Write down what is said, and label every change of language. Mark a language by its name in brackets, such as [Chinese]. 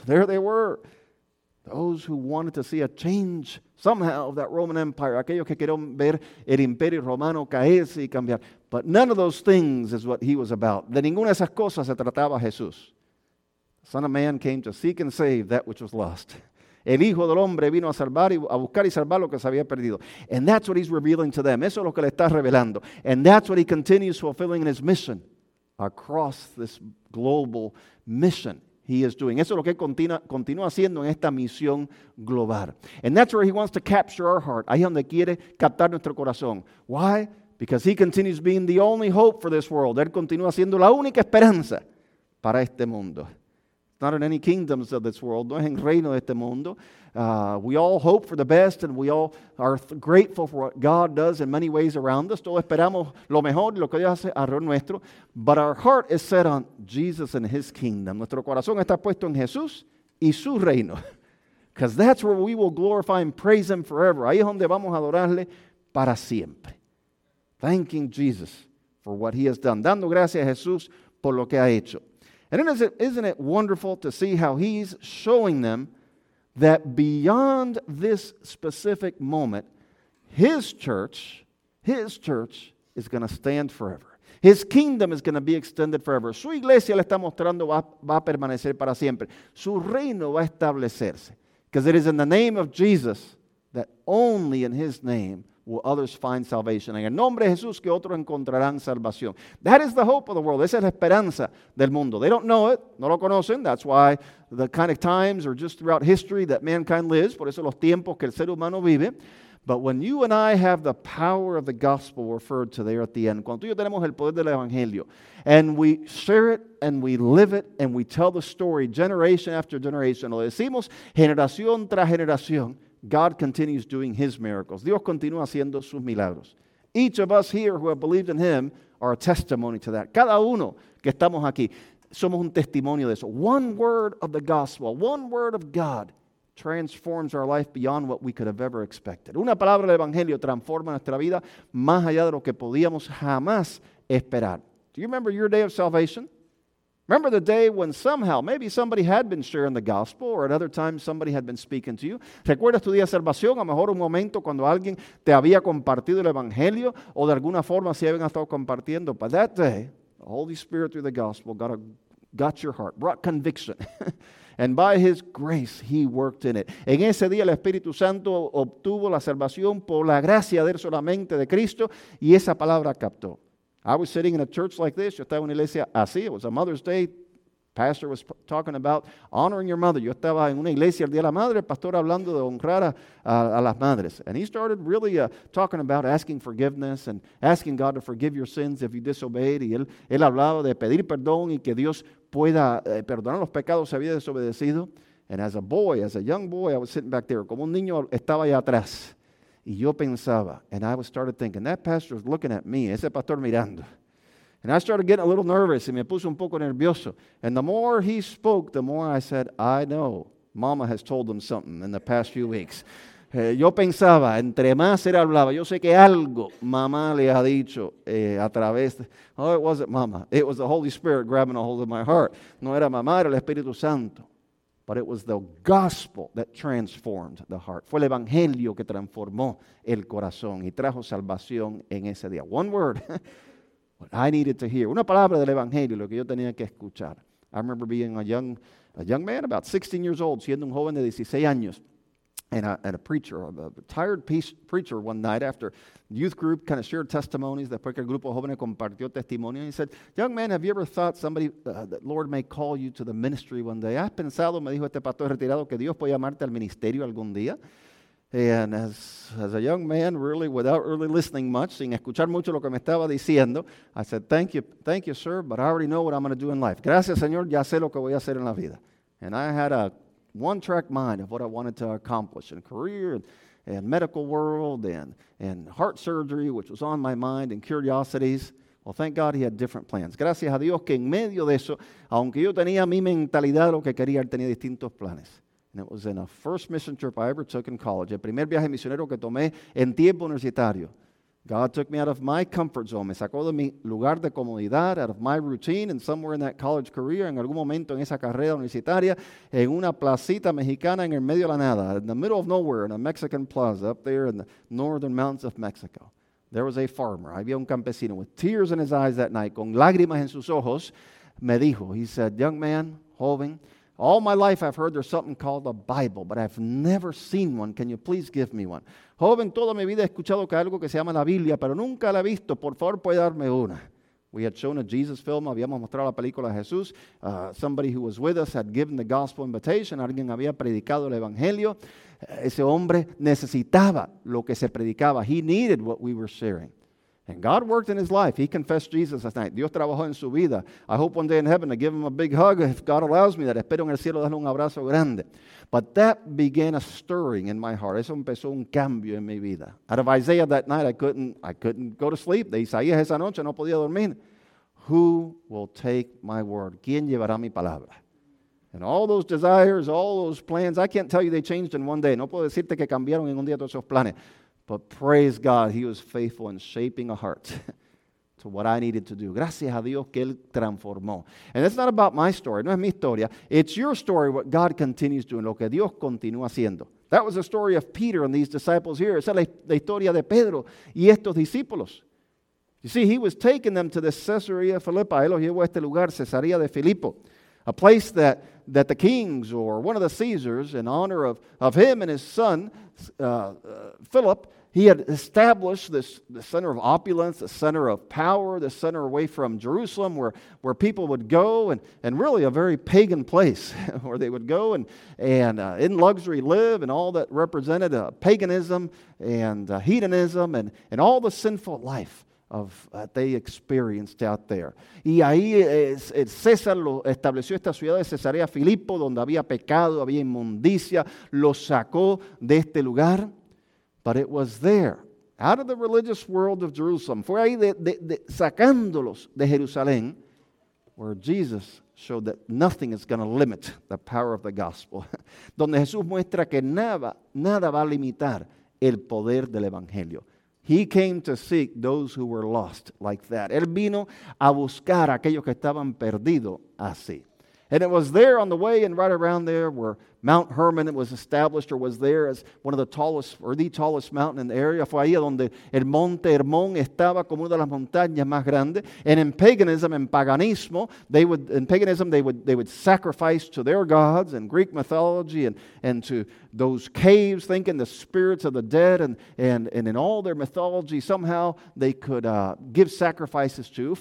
[English] There they were, those who wanted to see a change somehow of that Roman Empire, [Spanish] aquellos que querían ver el Imperio Romano caerse y cambiar. [English] But none of those things is what He was about. [Spanish] De ninguna de esas cosas se trataba Jesús. [English] Son of Man came to seek and save that which was lost. [Spanish] El Hijo del Hombre vino a salvar y a buscar y salvar lo que se había perdido. [English] And that's what He's revealing to them. [Spanish] Eso es lo que le está revelando. [English] And that's what He continues fulfilling in His mission across this global mission He is doing. [Spanish] Eso es lo que continúa haciendo en esta misión global. [English] And that's where He wants to capture our heart. [Spanish] Ahí es donde quiere captar nuestro corazón. [English] Why? Because He continues being the only hope for this world. [Spanish] Él continúa siendo la única esperanza para este mundo. [English] Not in any kingdoms of this world. [Spanish] No es en reino de este mundo. [English] We all hope for the best and we all are grateful for what God does in many ways around us. [Spanish] Todos esperamos lo mejor y lo que Dios hace alrededor nuestro. [English] But our heart is set on Jesus and His kingdom. [Spanish] Nuestro corazón está puesto en Jesús y su reino. [English] Because that's where we will glorify and praise Him forever. [Spanish] Ahí es donde vamos a adorarle para siempre. [English] Thanking Jesus for what He has done. [Spanish] Dando gracias a Jesús por lo que ha hecho. [English] And isn't it wonderful to see how He's showing them that beyond this specific moment, His church is going to stand forever. His kingdom is going to be extended forever. [Spanish] Su iglesia le está mostrando va a permanecer para siempre. Su reino va a establecerse. [English] Because it is in the name of Jesus that only in His name will others find salvation. [Spanish] En el nombre de Jesús que otros encontrarán salvación. [English] That is the hope of the world. [Spanish] Esa es la esperanza del mundo. [English] They don't know it. [Spanish] No lo conocen. [English] That's why the kind of times or just throughout history that mankind lives. [Spanish] Por eso los tiempos que el ser humano vive. [English] But when you and I have the power of the gospel referred to there at the end, [Spanish] cuando tú y yo tenemos el poder del evangelio, [English] and we share it, and we live it, and we tell the story generation after generation, [Spanish] lo decimos generación tras generación, [English] God continues doing His miracles. [Spanish] Dios continúa haciendo sus milagros. [English] Each of us here who have believed in Him are a testimony to that. [Spanish] Cada uno que estamos aquí somos un testimonio de eso. [English] One word of the gospel, one word of God transforms our life beyond what we could have ever expected. [Spanish] Una palabra del evangelio transforma nuestra vida más allá de lo que podíamos jamás esperar. [English] Do you remember your day of salvation? Remember the day when somehow, maybe somebody had been sharing the gospel, or at other times somebody had been speaking to you. [Spanish] ¿Recuerdas tu día de salvación? A lo mejor un momento cuando alguien te había compartido el evangelio, o de alguna forma se habían estado compartiendo. [English] But that day, the Holy Spirit through the gospel got your heart, brought conviction. And by His grace, He worked in it. [Spanish] En ese día, el Espíritu Santo obtuvo la salvación por la gracia de él solamente de Cristo, y esa palabra captó. [English] I was sitting in a church like this. [Spanish] Yo estaba en una iglesia así. [English] It was a Mother's Day. Pastor was talking about honoring your mother. [Spanish] Yo estaba en una iglesia el día de la madre. Pastor hablando de honrar a las madres. [English] And he started really talking about asking forgiveness and asking God to forgive your sins if you disobeyed. [Spanish] Y él hablaba de pedir perdón y que Dios pueda perdonar los pecados si había desobedecido. [English] And as a boy, as a young boy, I was sitting back there. [Spanish] Como un niño estaba allá atrás. Y yo pensaba, [English] and I started thinking, that pastor was looking at me, [Spanish] ese pastor mirando. [English] And I started getting a little nervous, [Spanish] y me puse un poco nervioso. [English] And the more he spoke, the more I said, I know, mama has told them something in the past few weeks. [Spanish] Yo pensaba, entre más él hablaba, yo sé que algo mamá le ha dicho a través de... [English] Oh, it wasn't mama, it was the Holy Spirit grabbing a hold of my heart. [Spanish] No era mamá, era el Espíritu Santo. [English] But it was the gospel that transformed the heart. [Spanish] Fue el evangelio que transformó el corazón y trajo salvación en ese día. [English] One word, what I needed to hear. [Spanish] Una palabra del evangelio, lo que yo tenía que escuchar. [English] I remember being a young man, about 16 years old, [Spanish] siendo un joven de 16 años. [English] And a preacher, a retired preacher one night after youth group kind of shared testimonies, [Spanish] después que el grupo jóvenes compartió testimonio, [English] he said, young man, have you ever thought somebody, that Lord may call you to the ministry one day? [Spanish] ¿Has pensado, me dijo este pastor retirado, que Dios puede llamarte al ministerio algún día? [English] And as a young man, really, without really listening much, [Spanish] sin escuchar mucho lo que me estaba diciendo, [English] I said, thank you, sir, but I already know what I'm going to do in life. [Spanish] Gracias, Señor, ya sé lo que voy a hacer en la vida. [English] And I had a one-track mind of what I wanted to accomplish in career and medical world and heart surgery, which was on my mind, and curiosities. Well, thank God he had different plans. [Spanish] Gracias a Dios que en medio de eso, aunque yo tenía mi mentalidad lo que quería, tenía distintos planes. [English] And it was in a first mission trip I ever took in college, el primer viaje misionero que tomé en tiempo universitario. God took me out of my comfort zone. [Spanish] Me sacó de mi lugar de comodidad, [English] out of my routine, and somewhere in that college career, [Spanish] en algún momento en esa carrera universitaria, en una placita mexicana en el medio de la nada, [English] in the middle of nowhere, in a Mexican plaza, up there in the northern mountains of Mexico. There was a farmer. [Spanish] Había un campesino [English] with tears in his eyes that night, [Spanish] con lágrimas en sus ojos. Me dijo, [English] he said, young man, joven, all my life I've heard there's something called a Bible, but I've never seen one. Can you please give me one? [Spanish] Joven, toda mi vida he escuchado que algo que se llama la Biblia, pero nunca la he visto. Por favor, puede darme una. [English] We had shown a Jesus film. [Spanish] Habíamos mostrado la película de Jesús. [English] Somebody who was with us had given the gospel invitation. [Spanish] Alguien había predicado el evangelio. Ese hombre necesitaba lo que se predicaba. [English] He needed what we were sharing. And God worked in his life. He confessed Jesus that night. [Spanish] Dios trabajó en su vida. [English] I hope one day in heaven to give him a big hug if God allows me that. [Spanish] Espero en el cielo darle un abrazo grande. [English] But that began a stirring in my heart. [Spanish] Eso empezó un cambio en mi vida. [English] Out of Isaiah that night, I couldn't go to sleep. [Spanish] De Isaías esa noche no podía dormir. [English] Who will take my word? [Spanish] ¿Quién llevará mi palabra? [English] And all those desires, all those plans, I can't tell you they changed in one day. [Spanish] No puedo decirte que cambiaron en un día todos esos planes. [English] But praise God, he was faithful in shaping a heart to what I needed to do. [Spanish] Gracias a Dios que él transformó. [English] And it's not about my story. [Spanish] No es mi historia. [English] It's your story, what God continues doing, [Spanish] lo que Dios continúa haciendo. [English] That was the story of Peter and these disciples here. [Spanish] Esa es la historia de Pedro y estos discípulos. [English] You see, he was taking them to the Caesarea Philippi. [Spanish] Él los llevó a este lugar, Cesarea de Filipo. [English] A place that the kings or one of the Caesars, in honor of him and his son, Philip, he had established the center of opulence, the center of power, the center away from Jerusalem where people would go, and really a very pagan place where they would go and in luxury live, and all that represented paganism and hedonism and all the sinful life that they experienced out there. [Spanish] Y ahí el César lo estableció esta ciudad de Cesarea Filipo, donde había pecado, había inmundicia, lo sacó de este lugar. [English] But it was there, out of the religious world of Jerusalem, [Spanish] fue ahí de sacándolos de Jerusalén, [English] where Jesus showed that nothing is going to limit the power of the gospel. [Spanish] Donde Jesús muestra que nada va a limitar el poder del evangelio. [English] He came to seek those who were lost like that. [Spanish] Él vino a buscar a aquellos que estaban perdidos así. [English] And it was there on the way and right around there where Mount Hermon was established or was there as one of the tallest or the tallest mountain in the area. [Spanish] Fue ahí donde el Monte Hermón estaba como una de las montañas más grandes. [English] And in paganism, they would sacrifice to their gods and Greek mythology and to those caves, thinking the spirits of the dead and in all their mythology somehow they could give sacrifices to.